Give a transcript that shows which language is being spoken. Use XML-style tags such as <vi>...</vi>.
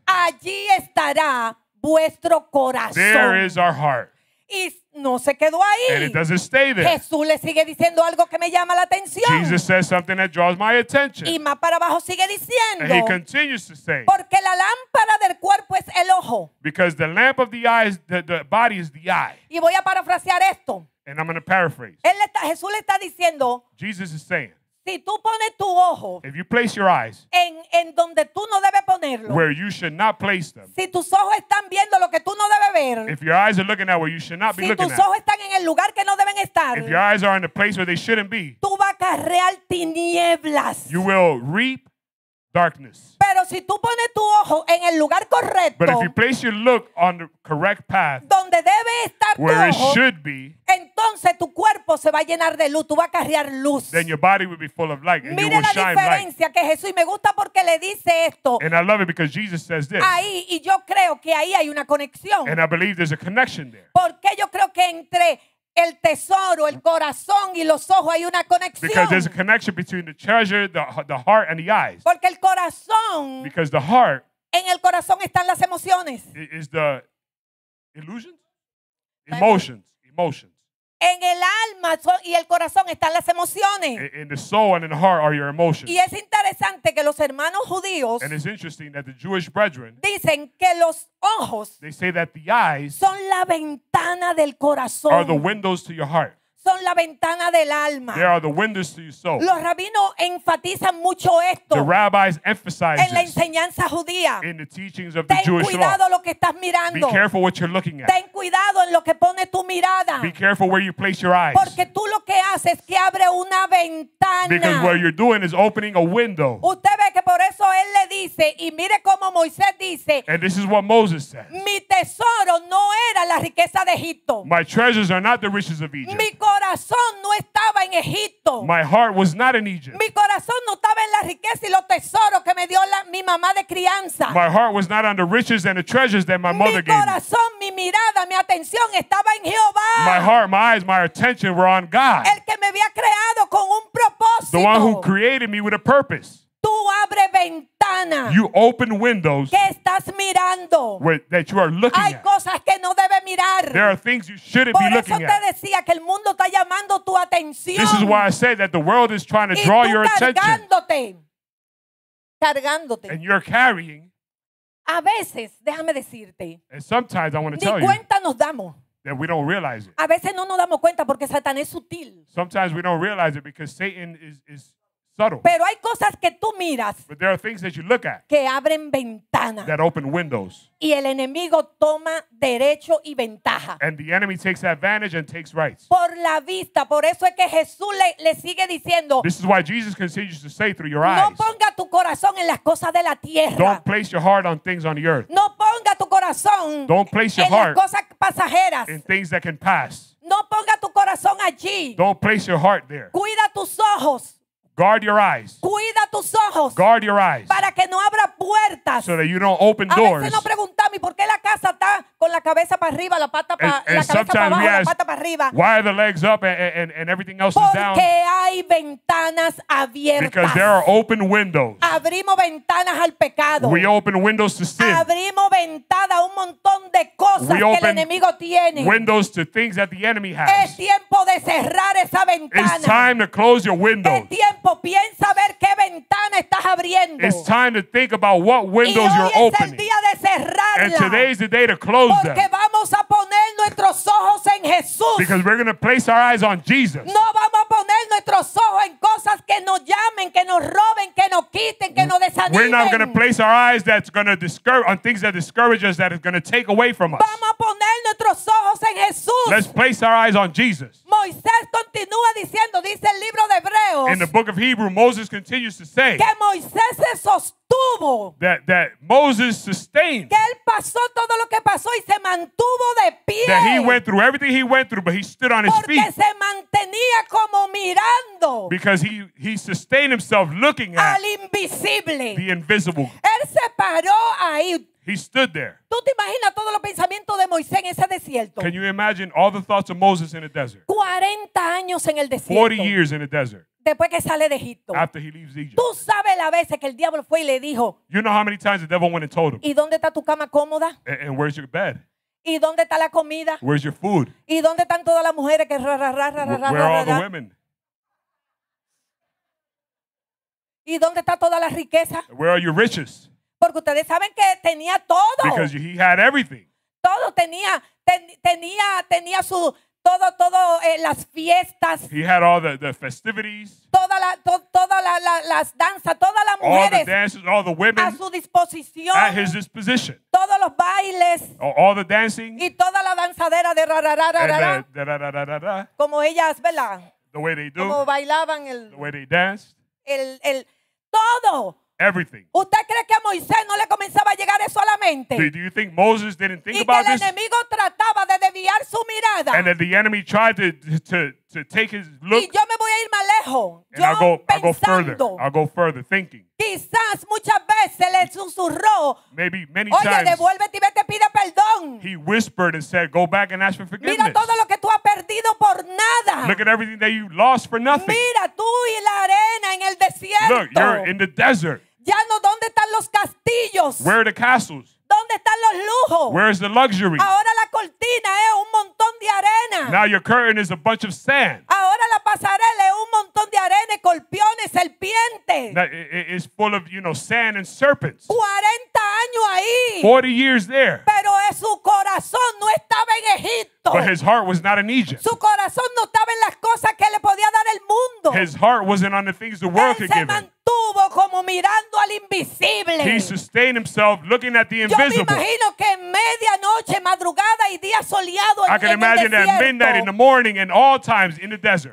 <es>Allí estará vuestro corazón.</es> <en>There is our heart.</en> <es>Y no se quedó ahí.</es> <en>And it doesn't stay there.</en> <es>Jesús le sigue diciendo algo que me llama la atención.</es> <en>Jesus says something that draws my attention.</en> <es>Y más para abajo sigue diciendo.</es> <en>And he continues to say.</en> <es>Porque la lámpara del cuerpo es el ojo.</es> <en>Because the lamp of the eye, the body is the eye.</en> <es>Y voy a parafrasear esto.</es> <en>And I'm going to paraphrase.</en> <es>Él está, Jesús le está diciendo.</es> <en>Jesus is saying.</en> <es>Si tú pones tu ojo.</es> <en>If you place your eyes.</en> <es>En donde tú no debes ponerlo.</es> <en>Where you should not place them.</en> <es>Si tus ojos están viendo lo que tú no debes ver.</es> <en>If your eyes are looking at where you should not be</en> <es>si Si tus ojos están en el lugar que no deben estar.</es> <en>If your eyes are in the place where they shouldn't be.</en> <es>Tú vas a acarrear tinieblas.</es> <en>You will reap darkness.</en> <es>Pero si tú pones tu ojo en el lugar correcto.</es> <en>But if you place your look on the correct path.</en> <es>Donde debe estar tu ojo.</es> <en>Where it should be.</en> <es>Entonces tu cuerpo se va a llenar de luz. Tú vas a acarrear luz.</es> <en>Then your body will be full of light.</en> <es>Mira la diferencia que Jesús. Y me gusta porque le dice esto.</es> <en>And I love it because Jesus says this.</en> <es>Ahí, y yo creo que ahí hay una conexión.</es> <en>And I believe there's a connection there.</en> <es>Porque yo creo que entre el tesoro, el corazón y los ojos hay una conexión.</es> <en>Because there's a connection between the treasure, the heart and the eyes.</en> <es>Porque el corazón.</es> <en>Because the heart.</en> <es>En el corazón están las emociones.</es> <en>Is the illusions? Emotions. Emotions.</en> <es>En el alma y el corazón están las emociones.</es> <en>In the soul and in the heart are your emotions.</en> <es>Y es interesante que los hermanos judíos.</es> <en>And it's interesting that the Jewish brethren.</en> <es>Dicen que los ojos.</es> <en>They say that the eyes.</en> <es>Son la ventana del corazón.</es> <en>Are the windows to your heart.</en> <es>Son la ventana del alma.</es> <en>They are the windows to your soul.</en> <es>Los rabinos enfatizan mucho esto.</es> <en>The rabbis emphasize</en> <es>en la enseñanza judía.</es> <en>In the teachings of</en> <es>ten</es> <en>the Jewish</en> <es>cuidado</es> <en>law.</en> <es>Lo que estás mirando.</es> <en>Be careful what you're looking at.</en> <es>Ten cuidado en lo que pone tu mirada.</es> <en>Be careful where you place your eyes.</en> <es>Porque tú lo que haces es que abre una ventana.</es> <en>Because what you're doing is opening a window.</en> <es>Usted ve que por eso él le dice y mire cómo Moisés dice.</es> <en>And this is what Moses says.</en> <es>Mi tesoro no era la riqueza de Egipto.</es> <en>My treasures are not the riches of Egypt.</en> <es>Mi corazón no estaba en Egipto.</es> <en>My heart was not in Egypt.</en> <es>Mi corazón no estaba en la riqueza y los tesoros que me dio mi mamá de crianza.</es> <en>My heart was not on the riches and the treasures that my mother gave.</en> <es>Mi corazón, mi mirada, mi atención estaba en Jehová.</es> <en>My heart, my eyes, my attention were on God.</en> <es>El que me había creado con un propósito.</es> <en>The one who created me with a purpose.</en> <es>Tú abre ventana.</es> <en>You open windows.</en> <es>¿Qué estás mirando?</es> <en>That you are looking</en> <es>hay</es> <en>at.</en> <es>Hay cosas que no debe mirar.</es> <en>There are things you shouldn't</en> <es>por</es> <en>be looking at.</en> <es>Por eso te decía que el mundo está llamando tu atención.</es> <en>This is why I say that the world is trying to</en> <es>y</es> <en>draw your attention.</en> <es>Y tú cargándote. cargándote.</es> <en>And you're carrying.</en> <es>A veces, déjame decirte.</es> <en>And sometimes I want to tell you.</en> <es>Ni cuenta nos damos.</es> <en>That we don't realize it.</en> <es>A veces no nos damos cuenta porque Satanás es sutil.</es> <en>Sometimes we don't realize it because Satan is subtle.</en> <es>Pero hay cosas que tú miras.</es> <en>But there are things that you look at.</en> <es>Que abren ventanas.</es> <en>That open windows.</en> <es>Y el enemigo toma derecho y ventaja.</es> <en>And the enemy takes advantage and takes rights.</en> <es>Por la vista, por eso es que Jesús le sigue diciendo.</es> <en>This is why Jesus continues to say through your eyes.</en> <es>No ponga tu corazón en las cosas de la tierra.</es> <en>Don't place your heart on things on the earth.</en> <es>No ponga tu corazón.</es> <en>Don't place your</en> <es>en</es> <en>heart</en> <es>las cosas pasajeras.</es> <en>In things that can pass.</en> <es>No ponga tu corazón allí.</es> <en>Don't place your heart there.</en> <es>Cuida tus ojos.</es> <en>Guard your eyes.</en> <es>Cuida tus ojos.</es> <en>Guard your eyes.</en> <es>Para que no abra puertas.</es> <en>So that you don't open doors.</en> <es>A veces no preguntamos por qué la casa está con la cabeza para arriba, la pata para la cabeza para abajo, la pata para arriba.</es> <en>Why are the legs up and everything else</en> <es>porque</es> <en>is down?</en> <es>Porque hay ventanas abiertas.</es> <en>Because there are open windows.</en> <es>Abrimos ventanas al pecado.</es> <en>We open windows to sin.</en> <es>Abrimos ventanas a un montón de cosas que el enemigo tiene.</es> <en>Windows to things that the enemy has.</en> <es>Es tiempo de cerrar esa ventana.</es> <en>It's time to close your windows.</en> <es>Piensa ver qué ventana estás abriendo.</es> <en>It's time to think about what windows you're opening.</en> <es>Y hoy es el día de cerrarla.</es> <en>And today is the day to close</en> <es>porque</es> <en>them.</en> <es>Porque vamos a poner nuestros ojos en Jesús.</es> <en>Because we're going to place our eyes on Jesus.</en> <es>No vamos a poner nuestros ojos en cosas que nos llamen, que nos roben, que nos quiten, que nos desanimen.</es> <en>We're not going to place our eyes that's going to discourage on things that discourage us that is going to take away from us.</en> <es>Vamos a poner nuestros ojos en Jesús.</es> <en>Let's place our eyes on Jesus.</en> <es>Moisés continúa diciendo, dice el libro de Hebreos.</es> <en>In the book of Hebrew, Moses continues to say</en> <es>que Moisés se sostuvo,</es> <en>that Moses sustained,</en> <es>que él pasó todo lo que pasó y se mantuvo de pie,</es> <en>that he went through everything he went through, but he stood on his feet,</en> <es>porque se mantenía como mirando,</es> <en>because he sustained himself looking at</en> <es>al invisible,</es> <en>the invisible.</en> <es>Él se paró ahí.</es> <en>He stood there.</en> <es>¿Tú te imaginas todos los pensamientos de Moisés en ese desierto?</es> <en>Can you imagine all the thoughts of Moses in a desert?</en> <es>40 años en el desierto.</es> <en>40 years in a desert.</en> <es>Después que sale de Egipto.</es> <en>After he leaves Egypt.</en> <es>¿Tú sabes las veces que el diablo fue y le dijo?</es> <en>You know how many times the devil went and told him.</en> <es>¿Y dónde está tu cama cómoda?</es> <en>And where's your bed?</en> <es>¿Y dónde está la comida?</es> <en>Where's your food?</en> <es>¿Y dónde están todas las mujeres que</es> <en>Where are all the women?</en> <es>¿Y dónde está toda la riqueza?</es> <en>Where are your riches?</en> <es>Porque ustedes saben que tenía todo.</es> <en>Because he had everything.</en> <es>Todo tenía, tenía su todo las fiestas.</es> <en>He had all the festivities.</en> <es>Todas las danzas, todas las mujeres.</es> <en>All the dances, all the women.</en> <es>A su disposición.</es> <en>At his disposition.</en> <es>Todos los bailes.</es> <en>All the dancing.</en> <es>Y toda la danzadera de ra-ra-ra-ra-ra. Como ellas, ¿verdad?</es> <en>The way they do.</en> <es>Como bailaban el.</es> <en>The way they danced.</en> <es>El todo.</es> <en>Everything.</en> <es>¿Usted cree que a Moisés no le comenzaba a llegar eso a la mente?</es> <en>Do you think Moses didn't think</en> <es>y</es> <en>about</en> <es>que el enemigo</es> <en>this?</en> <es>Trataba de desviar su mirada.</es> <en>And that the enemy tried to take his look.</en> <es>Y yo me voy a ir más lejos.</es> <en>And</en> <es>yo</es> <en>I'll go further. I'll go further thinking.</en> <es>Quizás muchas veces le susurró.</es> <en>Maybe many</en> <es>Oye,</es> <en>times.</en> <es>Oye, devuélvete y vete, pide perdón.</es> <en>He whispered and said, go back and ask for forgiveness.</en> <es>Mira todo lo que tú has perdido por nada.</es> <en>Look at everything that you lost for nothing.</en> <es>Mira tú y la arena en el desierto.</es> <en>Look, you're in the desert.</en> <es>Ya no, ¿dónde están los castillos?</es> <en>Where are the castles?</en> <es>¿Dónde están los lujos?</es> <en>Where's the luxury?</en> <es>Ahora la cortina es un montón de arena.</es> <en>Now your curtain is a bunch of sand.</en> <es>Ahora la pasarela es un montón de arena, escorpiones, serpientes.</es> <en>Now it's full of, you know, sand and serpents.</en> <es>40 años ahí.</es> <en>40 years there.</en> <es>Pero su corazón no estaba en Egipto.</es> <en>But his heart was not in Egypt.</en> <es>Su corazón no estaba en las cosas que le podía dar el mundo.</es> <en>His heart wasn't on the things the world could give him.</en> <es>Estuvo como mirando al invisible.</es> <en>He sustained himself looking at the invisible.</en> <es>Yo me imagino que en media noche, madrugada y día soleado en el desierto.</es> <en>I can imagine that midnight in the morning and all times in the desert.</en>